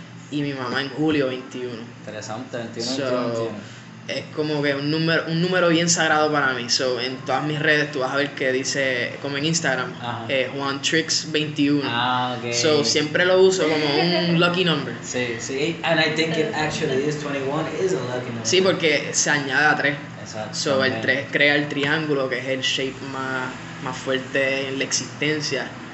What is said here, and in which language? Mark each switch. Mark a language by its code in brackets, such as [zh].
[es] Y mi mamá en julio 21. Interesante, 21. Es como que un número bien sagrado para mí. So, en todas mis redes tú vas a ver que dice, como en Instagram, Juan Trix 21. Ah, okay. So, siempre lo uso como un [en] lucky number. [es] Sí, sí. [en] And I think it actually is 21 is a lucky number. [es] Sí, porque se añade a 3. Exacto. So, el 3 crea el triángulo, que es el shape más fuerte en la existencia.